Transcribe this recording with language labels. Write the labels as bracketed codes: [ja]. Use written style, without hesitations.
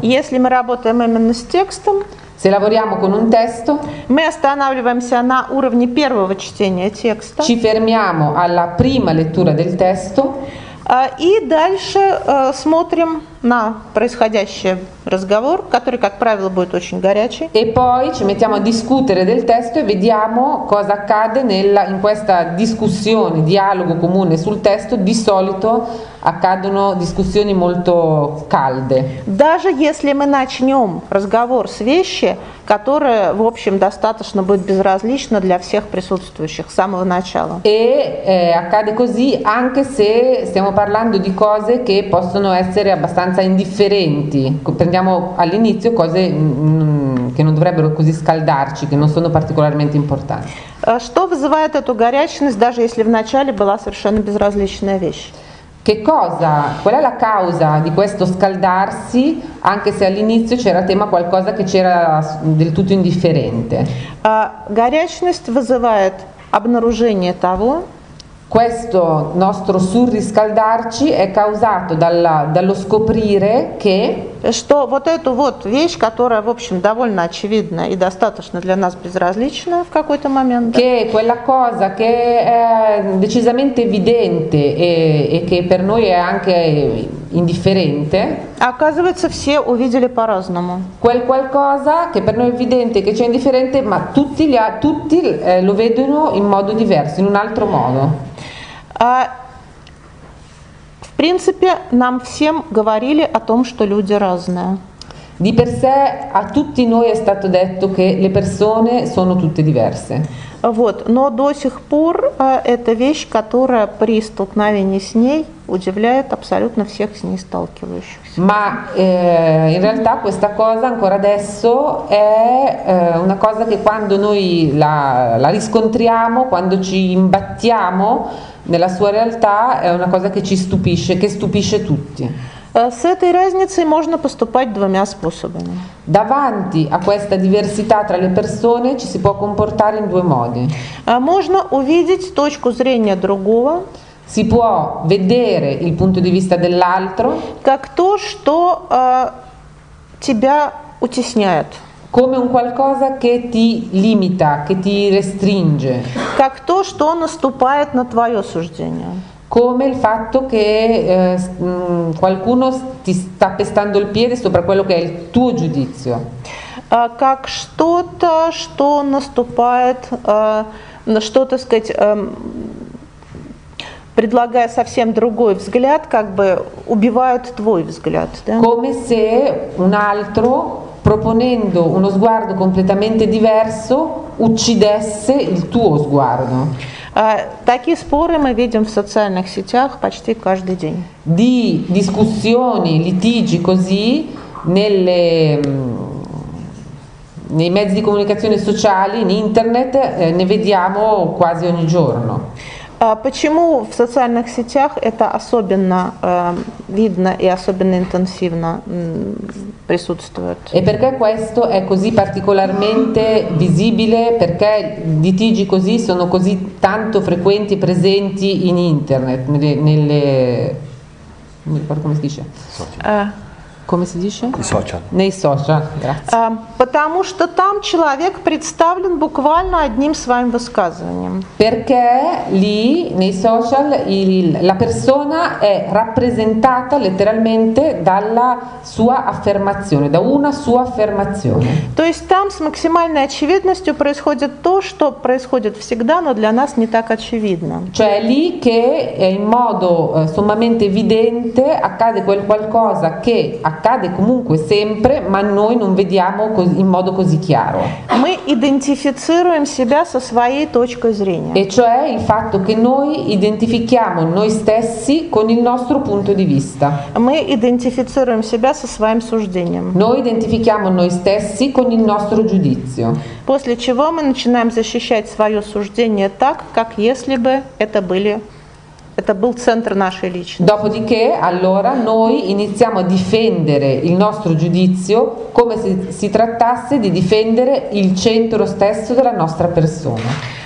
[ru] Если мы работаем именно с текстом, [it] se lavoriamo con un testo, [ru] мы останавливаемся на уровне первого чтения текста. [it] Ci fermiamo alla prima lettura del testo. [ru] И дальше смотрим на происходящий разговор, который, как правило, будет очень горячий. [it] E poi ci mettiamo a discutere del testo e vediamo cosa accade in questa discussione, dialogo comune sul testo. Di solito accadono discussioni molto calde. [ru] Даже если мы начнем разговор с вещи, которая, в общем, достаточно будет безразлична для всех присутствующих с самого начала. [it] E accade così anche se stiamo parlando di cose che possono essere abbastanza indifferenti. Prendiamo all'inizio cose che non dovrebbero così scaldarci, che non sono particolarmente importanti. [ru] Что вызывает эту горячность, даже если в начале была совершенно безразличная вещь? [it] Che cosa? Qual è la causa di questo scaldarsi, anche se all'inizio c'era tema qualcosa che c'era del tutto indifferente? [ru] Горячность вызывает обнаружение того. [it] Questo nostro surriscaldarci è causato dallo scoprire che. [ru] Что вот эту вот вещь, которая, в общем, довольно очевидна и достаточно для нас безразлична в какой-то момент. [it] Che quella cosa che è decisamente evidente e che per noi è anche indifferente. [ru] Оказывается, все увидели по-разному. [it] Quel qualcosa che per noi è evidente, che c'è indifferente, ma tutti lo vedono in modo diverso, in un altro modo. [ru] В принципе, нам всем говорили о том, что люди разные. [it] Di per sé a tutti noi è stato detto che le persone sono tutte diverse. [ru] Вот, но до сих пор это вещь, которая при столкновении с ней удивляет абсолютно всех с ней сталкивающихся. [it] Ma in realtà questa cosa ancora adesso è una cosa che quando noi la riscontriamo, quando ci imbattiamo nella sua realtà, è una cosa che ci stupisce, che stupisce tutti. [ru] С этой разницей можно поступать двумя способами. [it] Davanti a questa diversità tra le persone ci si può comportare in due modi. [ru] Можно увидеть точку зрения другого. [it] Si può vedere il punto di vista dell'altro. [ru] Как то, что тебя утесняет. [it] come un qualcosa che ti limita, che ti restringe. [ru] Как то, что наступает на твоё суждение. [it] Come il fatto che qualcuno ti sta pestando il piede sopra quello che è il tuo giudizio. [ru] Как что-то, что наступает, что-то сказать, предлагая совсем другой взгляд, как бы убивает твой взгляд. Да? [it] Come se un altro, proponendo uno sguardo completamente diverso, uccidesse il tuo sguardo. [ru] Такие споры мы видим в социальных сетях почти каждый день. [it] Di discussioni, litigi così nelle nei mezzi di comunicazione sociali, in internet, ne vediamo quasi ogni giorno. [ru] Почему в социальных сетях это особенно видно и особенно интенсивно присутствует? [it] E perché questo è così particolarmente visibile? Perché litigi così sono così tanto frequenti, presenti in internet, nelle non mi ricordo come si dice. Come si dice? I social. Nei social, grazie. [ru] Потому что там человек представлен буквально одним своим высказыванием. [it] Perché lì nei social la persona è rappresentata letteralmente dalla sua affermazione, da una sua affermazione. [ru] То есть там с максимальной очевидностью происходит то, что происходит всегда, но для нас не так очевидно. [it] Cioè lì che in modo sommamente evidente accade quel qualcosa che accade comunque sempre, ma noi non vediamo in modo così chiaro. [ru] Мы идентифицируем себя со своей точкой зрения. [it] E cioè il fatto che noi identifichiamo noi stessi con il nostro punto di vista. [ru] Мы идентифицируем себя со своим суждением. [it] Noi identifichiamo noi stessi con il nostro giudizio. [ru] После чего мы начинаем защищать свое суждение так, как если бы это были Это был центр нашей личности. [it] Dopodiché, allora, noi iniziamo a difendere il nostro giudizio come se si trattasse di difendere il centro stesso della nostra persona.